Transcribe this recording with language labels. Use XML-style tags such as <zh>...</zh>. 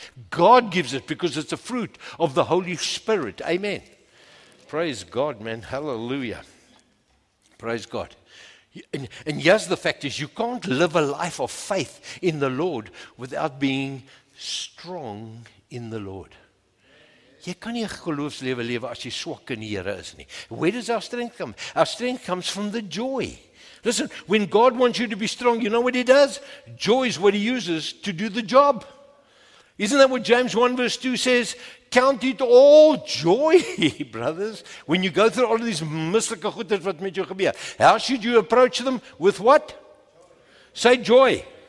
<en>God gives it because it's a fruit of the Holy Spirit. Amen. Praise God, man. Hallelujah. Praise God. And yes, the fact is you can't live a life of faith in the Lord without being strong in the Lord.</en> <af>Jy kan nie 'n geloofslewe lewe as jy swak in die Here is nie.</af> <en>Where does our strength come? Our strength comes from the joy. Listen, when God wants you to be strong, you know what he does? Joy is what he uses to do the job. Isn't that what James 1 verse 2 says? Count it all joy, brothers. When you go through all of these mystical goeders</en> <af>wat met jou gebeur,</af> <en>how should you approach them? With what? Say joy.</en>